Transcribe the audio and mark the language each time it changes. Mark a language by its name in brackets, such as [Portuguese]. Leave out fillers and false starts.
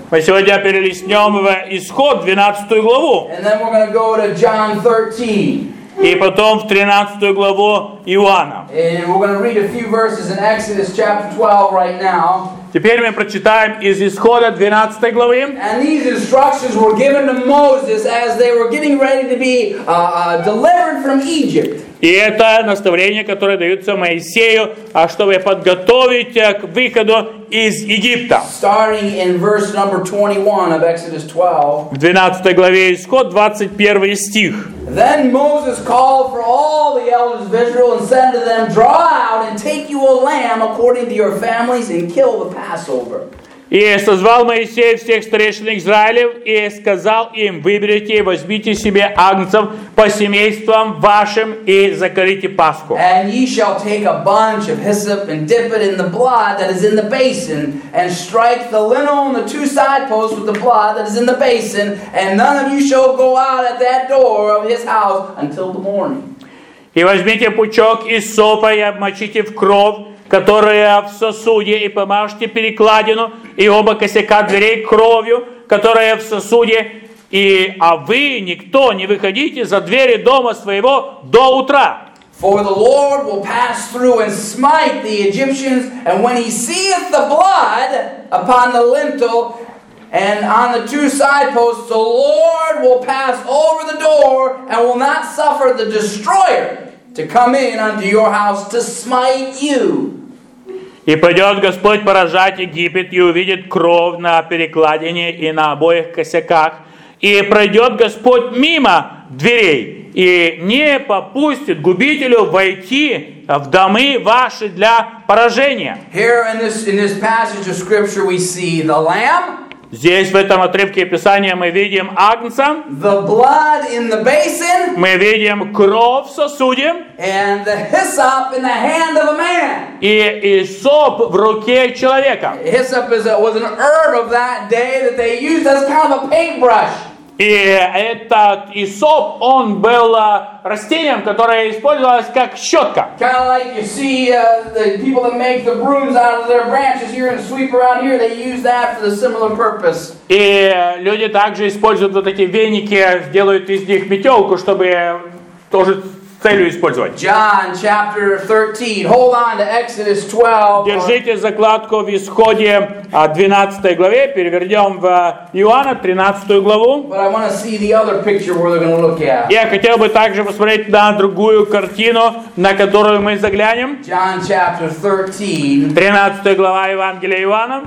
[Russian] Мы сегодня перелистнем в Исход 12 главу. [English] And then we're gonna go to John 13. [Russian] И потом в 13 главу Иоанна. Теперь мы прочитаем из Исхода 12 главы. [English] And these instructions were given to Moses as they were getting ready to be delivered from Egypt. [Russian] И это наставление, которое дается Моисею, чтобы подготовить к выходу из Египта. [English] Starting in verse number 21 of Exodus 12. [Russian] В 12 главе Исход, 21 стих. [English] Then Moses called for all the elders of Israel and said to them, draw out and take you a lamb according to your families and kill the Passover. [Russian] И созвал Моисей всех старейшин Израилев и сказал им, выберите и возьмите себе агнцев по семействам вашим и закалите Пасху. [English] And ye shall take a bunch of hyssop and dip it in the blood that is in the basin and strike the lintel on the two side posts with the blood that is in the basin and none of you shall go out at that door of his house until the morning. [Russian] И возьмите пучок из сопа и обмочите в кровь, которая в сосуде, и помажьте перекладину и оба косяка дверей кровью, которая в сосуде, и а вы, никто, не выходите за двери дома своего до утра. [English] For the Lord will pass through and smite the Egyptians, and when he seeth the blood upon the lintel and on the two side posts, the Lord will pass over the door and will not suffer the destroyer to come in unto your house to smite you. [Russian] И пойдет Господь поражать Египет, и увидит кровь на перекладине и на обоих косяках. И пройдет Господь мимо дверей, и не попустит губителю войти в домы ваши для поражения. [English] Here in this passage of scripture we see the lamb. [Russian] Здесь, в этом отрывке Писания, мы видим Агнца. [English] The blood in the basin. [Russian] Мы видим кровь в сосуде. [English] And the hyssop in the hand of a man. [Russian] И иссоп в руке человека. [English] Hyssop was an herb of that day that they used as kind of a paintbrush. [Russian] И этот иссоп, он был растением, которое использовалось как щетка. [English] Kind of like you see the people that make the brooms out of their branches here and sweep around here, they use that for the similar purpose. [Russian] И люди также используют вот эти веники, делают из них метелку, чтобы тоже целью использовать. [English] John chapter 13, hold on to Exodus 12. [Russian] Держите закладку в Исходе 12 главе, перейдем в Иоанна 13 главу. [English] But I want to see the other picture where they're going to look at. [Russian] Я хотел бы также посмотреть на другую картину, на которую мы заглянем. [English] John chapter 13. [Russian] 13 глава Евангелия Иоанна.